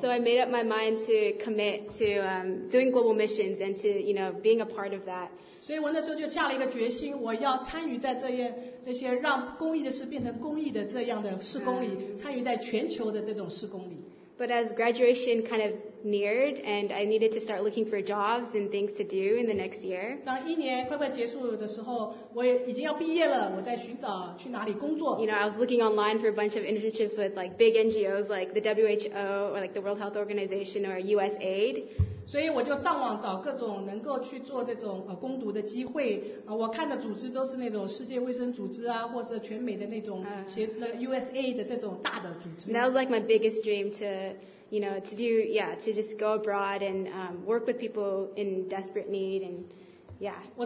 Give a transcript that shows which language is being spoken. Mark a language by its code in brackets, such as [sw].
[en] So I made up my mind to commit to doing global missions and to, you know, being a part of that. [zh] 所以我那时候就下了一个决心，我要参与在这些让公益的事变成公益的这样的事工里，参与在全球的这种事工里。 [en] But as graduation kind of neared, and I needed to start looking for jobs and things to do in the next year, you know, I was looking online for a bunch of internships with like big NGOs like the WHO or like the World Health Organization or USAID. [zh] 所以我就上网找各种能够去做这种攻读的机会，我看的组织都是那种世界卫生组织啊，或者全美的那种协USAID的这种大的组织。 [en] That was like my biggest dream to, you know, to do, yeah, to just go abroad and work with people in desperate need and, yeah.